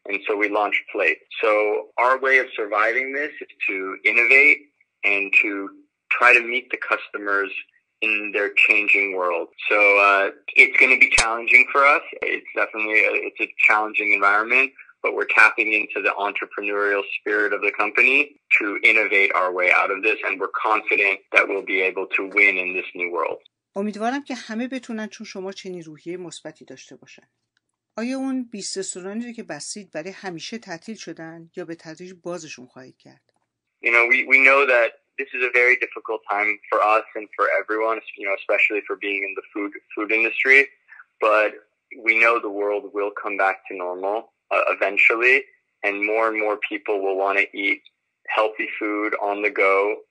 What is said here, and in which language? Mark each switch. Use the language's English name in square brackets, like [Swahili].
[English] And so we launched Plate. So our way of surviving this is to innovate and to try to meet the customers in their changing world. So it's going to be challenging for us. It's definitely a challenging environment, but we're tapping into the entrepreneurial spirit of the company to innovate our way out of this, and we're confident that we'll be able to win in this new world. [Persian] امیدوارم که همه بتونن چون شما چنین روحیه مثبتی داشته باشن. آیا اون 20 رستورانی رو که بستید برای همیشه تعطیل شدن یا به تدریج بازشون خواهید کرد؟ [English] You know, we know that this is a very difficult time for us and for everyone, you know, especially for being in the food industry. But we know the world will come back to normal eventually, and more people will want to eat healthy food on the go.